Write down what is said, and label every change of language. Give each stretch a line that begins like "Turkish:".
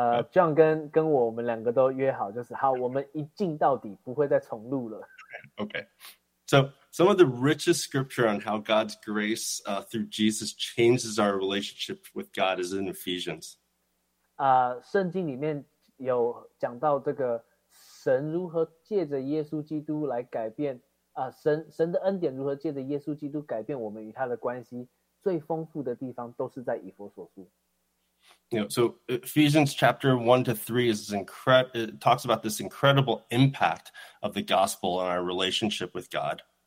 Chinese: John 跟我们两个都约好，就是好，我们一进到底，不会再重录了。
English: Okay, so some of the richest scripture on how God's grace through Jesus changes our relationship with God is in Ephesians.
Chinese: 圣经里面有讲到这个神如何借着耶稣基督来改变神的恩典如何借着耶稣基督改变我们与他的关系，最丰富的地方都是在以弗所书。
English: You know, so Ephesians chapter 1-3 talks about this incredible impact of the gospel on our relationship with God.